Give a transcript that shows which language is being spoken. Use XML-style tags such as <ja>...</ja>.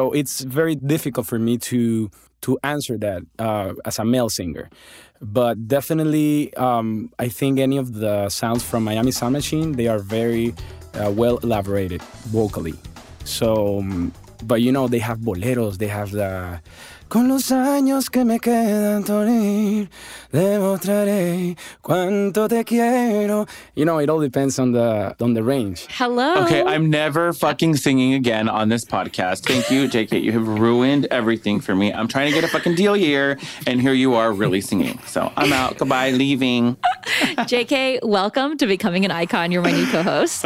<en>So it's very difficult for me to answer that as a male singer. But definitely, I think any of the sounds from Miami Sound Machine, they are very well elaborated vocally. So, but you know, they have boleros, they have the...</en> <es>Con los años que me quedan torir, demostraré cuánto te quiero.</es> <en>You know, it all depends on the range. Hello. Okay, I'm never fucking singing again on this podcast. Thank you, JK. You have ruined everything for me. I'm trying to get a fucking deal here, and here you are really singing. So I'm out. Goodbye, leaving. JK, welcome to Becoming an Icon. You're my new co-host.</en>